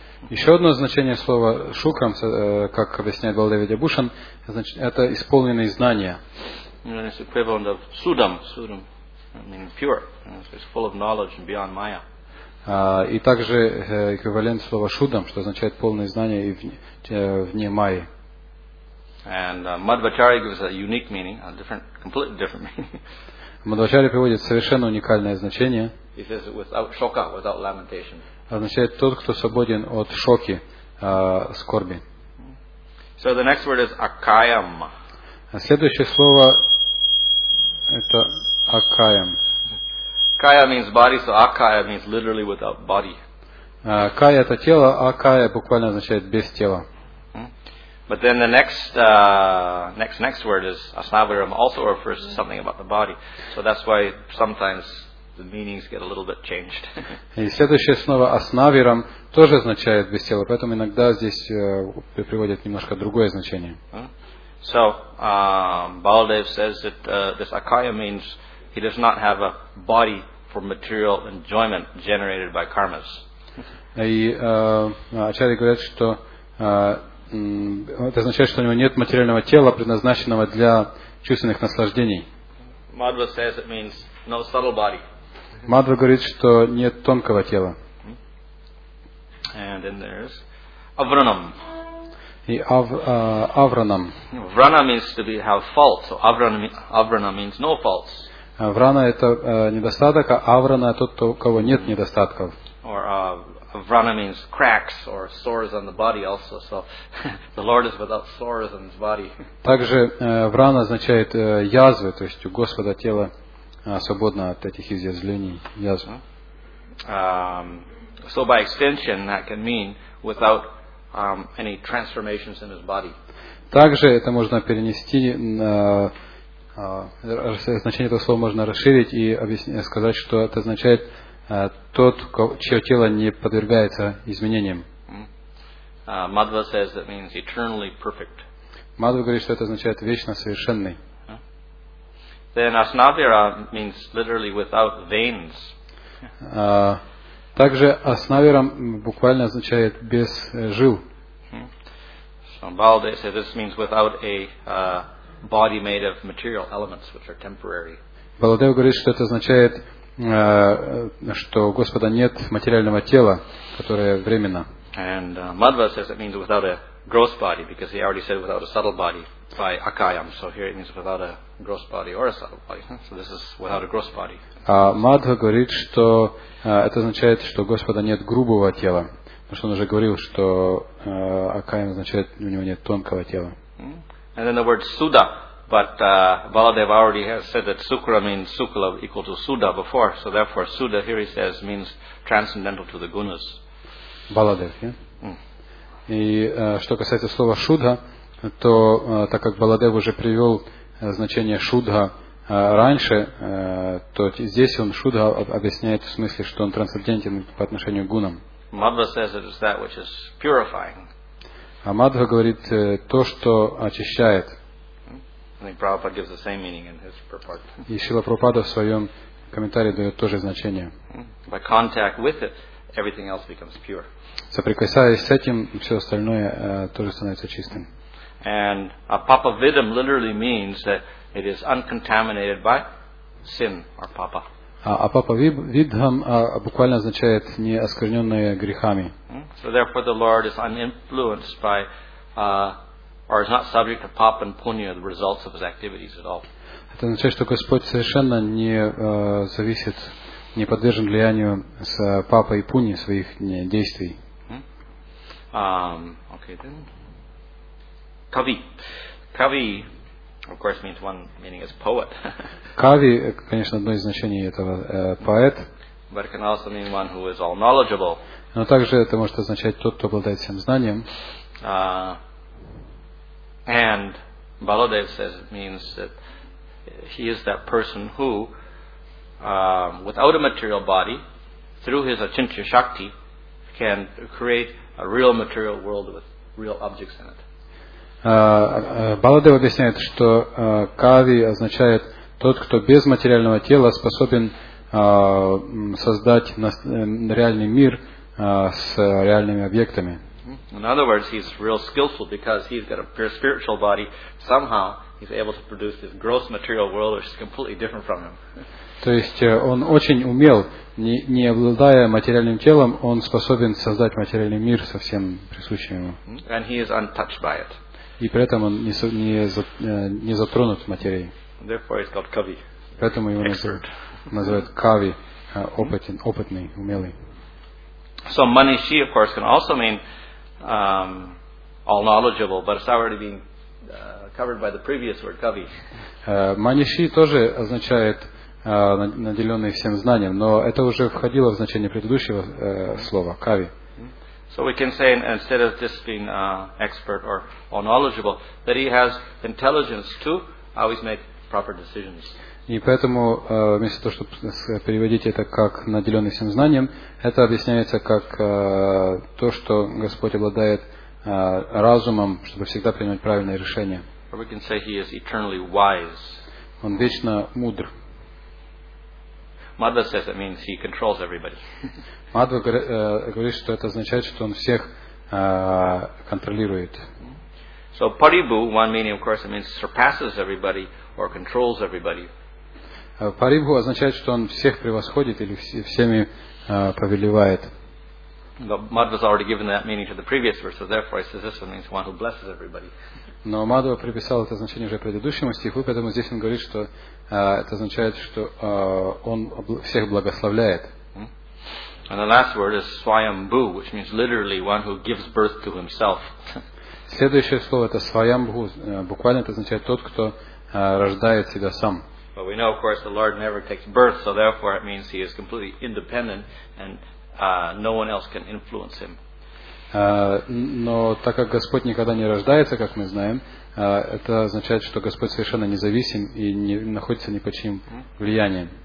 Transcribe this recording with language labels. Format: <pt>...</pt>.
<ru>Еще одно значение слова шукрам, как объясняет Балавидхи Бхушан, это исполненные знания.</ru> <en>And it's equivalent of судам. Судам means pure. So it's full of knowledge and beyond maya.</en> <ru>И также эквивалент слова шудам, что означает полное знание и вне майи.</ru> <en>And Madhvacharya gives a unique meaning, a different, completely different meaning.</en> <ru>Madhvacharya приводит совершенно уникальное значение.</ru> <en>He says without shoka, without lamentation.</en> <ru>Означает тот, кто свободен от шоки, скорби.</ru> <en>So the next word is akayam.</en> <ru>Следующее слово это akayam.</ru> <en>Kaya means body, so akaya means literally without body.</en> <ru>Kaya это тело, а kaya буквально означает без тела.</ru> <en>But then the next word is asnavaram, also refers to something about the body. So that's why sometimes the meanings get a little bit changed.</en> <ru>И следующее слово asnaviram тоже означает без тела, поэтому иногда здесь приводят немножко другое значение.</ru> <en>So Baladev says that this akaya means he does not have a body for material enjoyment generated by karmas.</en> <ru>И Ачарьи говорят, что это означает, что у него нет материального тела, предназначенного для чувственных наслаждений.</ru> <en>Madhva says it means no subtle body.</en> <ru>Madhva говорит, что нет тонкого тела.</ru> <en>And then there's avranam.</en> <ru>И avranam.</ru> <en>Vrana means to be have fault. So avrana means no faults.</en> <ru>Врана это недостаток, а аврана тот, у кого нет недостатков.</ru> <en>Or врана means cracks or sores on the body also. So the Lord is without sores on his body.</en> <ru>Также врана означает язвы, то есть у Господа тело свободно от этих изъязвлений, язв.</ru> <en>So by extension that can mean without any transformations in his body.</en> <ru>Также это можно перенести на значение этого слова можно расширить и объяснить, сказать, что это означает тот, чье тело не подвергается изменениям.</ru> <en>Madhva says that means eternally perfect.</en> <ru>Мадхва говорит, что это означает вечно совершенный.</ru> <en>Then Asnavira means literally without veins.</en> <ru>Также Asnavira буквально означает без жил.</ru> <en>Some Baldev say this means without a body made of material elements, which are temporary.</en> <ru>Baldev говорит, что это означает, что у Господа нет материального тела, которое временно.</ru> <en>And Madhva says it means without a gross body, because he already said without a subtle body by Akayam. So here it means without a gross body or a subtle body. So this is without a gross body.</en> <ru>Madhva говорит, что это означает, что у Господа нет грубого тела. Потому что он уже говорил, что Акаям означает, у него нет тонкого тела.</ru> <en>And then the word Suda, but Baladeva already has said that Sukra means Sukula equal to Suda before, so therefore Suda here he says means transcendental to the Gunas. Baladev, yeah?</en> <ru>И что касается слова Шудха, то так как Баладев уже привел значение Шудха раньше, то здесь он Шудха объясняет в смысле, что он трансцендентен по отношению к Гунам.</ru> <en>Madhva says it is that which is purifying.</en> <ru>А Мадхва говорит то, что очищает.</ru> <en>I think Prabhupada gives the same meaning in his purport.</en> <ru>И Шрила Прабхупада в своем комментарии дает то же значение.</ru> <en>By contact with it, everything else becomes pure.</en> <ru>Соприкасаясь с этим, все остальное тоже становится чистым.</ru> <en>And apapavidam literally means that it is uncontaminated by sin or papa.</en> <ru>А папа видхам буквально означает не оскверненное грехами.</ru> <en>So therefore the Lord is uninfluenced by or is not subject to papa and punya, the results of his activities at all.</en> <ru>Это означает, что Господь совершенно не зависит, не подвержен влиянию с папой и пуни своих действий.</ru> <en>Okay then. Kavi. Kavi of course means one meaning is poet.</en> <ru>Кави, конечно, одно из значений этого поэт.</ru> <en>But it can also mean one who is all knowledgeable.</en> <ru>Но также это может означать тот, кто обладает всем знанием.</ru> <en>And Baladev says it means that he is that person who without a material body, through his achintya shakti, can create a real material world with real objects in it.</en> <ru>Баладев объясняет, что кави означает тот, кто без материального тела способен создать реальный мир с реальными объектами.</ru> <en>In other words, he's real skillful because he's got a pure spiritual body. Somehow, he's able to produce this gross material world, which is completely different from him.</en> <ru>То есть он очень умел, не обладая материальным телом, он способен создать материальный мир со всем присущим ему.</ru> <en>And he is untouched by it.</en> <ru>И при этом он не затронут материей.</ru> <en>Therefore it's called Kavi.</en> <ru>Поэтому его называют Kavi, опытный, умелый.</ru> <en>So Manishi, of course, can also mean all knowledgeable, but it's already been covered by the previous word Kavi.</en> <ru>Manishi тоже означает наделенный всем знанием, но это уже входило в значение предыдущего слова Kavi.</ru> <en>So we can say, instead of just being expert or all knowledgeable, that he has intelligence to always make proper decisions.</en> <ru>И поэтому, вместо того, чтобы переводить это как наделенный всем знанием, это объясняется как то, что Господь обладает разумом, чтобы всегда принимать правильные решения.</ru> <en>Or we can say he is eternally wise.</en> <ru>Он вечно мудр.</ru> <en>Madhva says it means he controls everybody.</en> <ru>Madhva говорит, что это означает, что он всех контролирует.</ru> <en>So paribhu, one meaning, of course, it means surpasses everybody or controls everybody.</en> <ru>Paribhu означает, что он всех превосходит или всеми повелевает.</ru> <en>But Madhva has already given that meaning to the previous verse, so therefore he says this one means one who blesses everybody.</en> <ru>Но Мадхва приписал это значение уже предыдущему стиху, поэтому здесь он говорит, что это означает, что он всех благословляет.</ru> <en>And the last word is swayambhu, which means literally one who gives birth to himself.</en> <ru>Следующее слово это свайамбху, буквально это означает тот, кто рождает себя сам.</ru> <en>But we know, of course, the Lord never takes birth, so therefore it means he is completely independent and no one else can influence him.</en> <ru>Но так как Господь никогда не рождается, как мы знаем, это означает, что Господь совершенно независим и не находится ни под чьим влиянием.</ru>